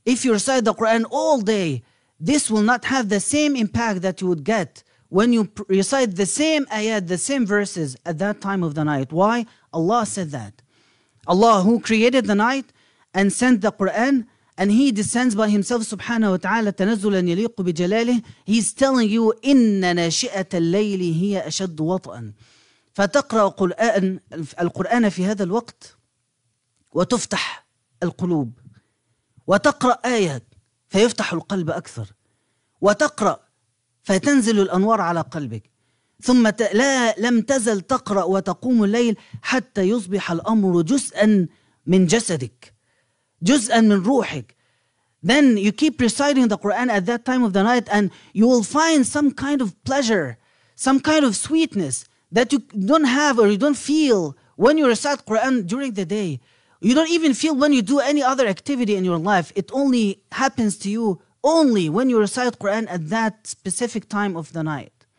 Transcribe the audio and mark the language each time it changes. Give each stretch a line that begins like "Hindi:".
English: If you recite the Quran all day, this will not have the same impact that you would get when you recite the same ayat, the same verses at that time of the night. Why? Allah said that. Allah who created the night and sent the Quran, and he descends by himself subhanahu wa ta'ala
Arabic: tanazzulan yaliqu bi jalalihi,
English: he's telling you
Arabic: inna nashi'at al-layli hiya ashadd wat'an. Fataqra Quran al-Quran fi hadha al-waqt وتفتح القلوب، وتقرأ آية فيفتح القلب أكثر، وتقرأ فتنزل الأنوار على قلبك، ثم لم تزل تقرأ وتقوم الليل حتى يصبح الأمر جزءا من جسدك، جزءا من روحك.
English: Then you keep reciting the Quran at that time of the night and you will find some kind of pleasure, some kind of sweetness that you don't have or you don't feel when you recite Quran during the day. You don't even feel when you do any other activity in your life. It only happens to you only when you recite Quran at that specific time of the night.